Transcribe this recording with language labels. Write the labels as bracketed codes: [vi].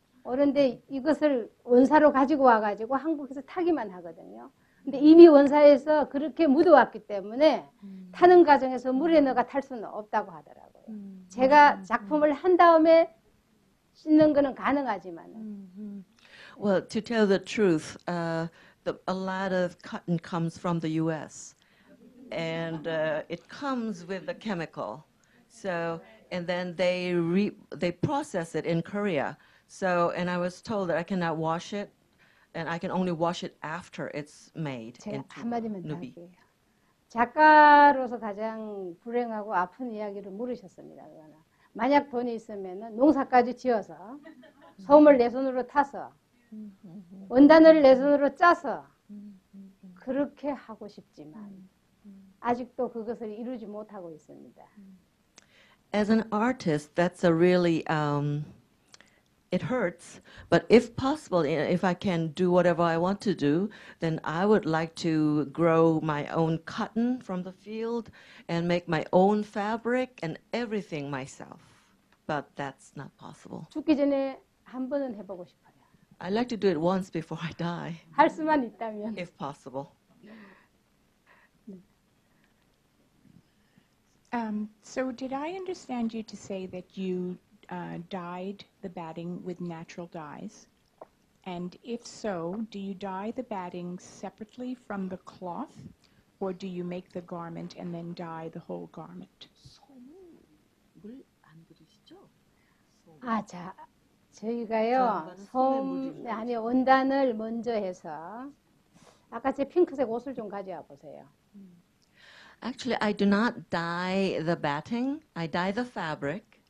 [ko] 그런데 이것을 원사로 가지고 와가지고 한국에서 타기만 하거든요. 근데 이미 원사에서 그렇게 묻어왔기 때문에 타는 과정에서 물에 넣어가 탈 수는 없다고 하더라고요. 제가 작품을 한 다음에 씻는 거는 가능하지만. [en] Well, to tell the truth, a lot of cotton comes from the U.S. and it comes with a chemical. So and then they process it in Korea. So and I was told that I cannot wash it. And I can only wash it after it's made. [ko] 제가 한마디만 드릴게요. 작가로서 가장 불행하고 아픈 이야기를 물으셨습니다. 그거는. 만약 돈이 있으면 농사까지 지어서 솜을 내 손으로 타서 원단을 내 손으로 짜서 그렇게 하고 싶지만 아직도 그것을 이루지 못하고 있습니다. [en] As an artist, that's a really it hurts, but if possible, if I can do whatever I want to do, then I would like to grow my own cotton from the field and make my own fabric and everything myself. But that's not possible. [ko] 죽기 전에 한 번은 해보고 싶어요. [en] I'd like to do it once before I die. [ko] 할 수만 있다면. [en] If possible. So did I understand you to say that you dyed the batting with natural dyes, and if so, do you dye the batting separately from the cloth, or do you make the garment and then dye the whole garment? [ko] 솜을 안 들으시죠? 아, 자, 저희가요, 솜, 아니 원단을 먼저 해서 아까 제 핑크색 옷을 좀 가져와 보세요. [en] Actually, I do not dye the batting. I dye the fabric.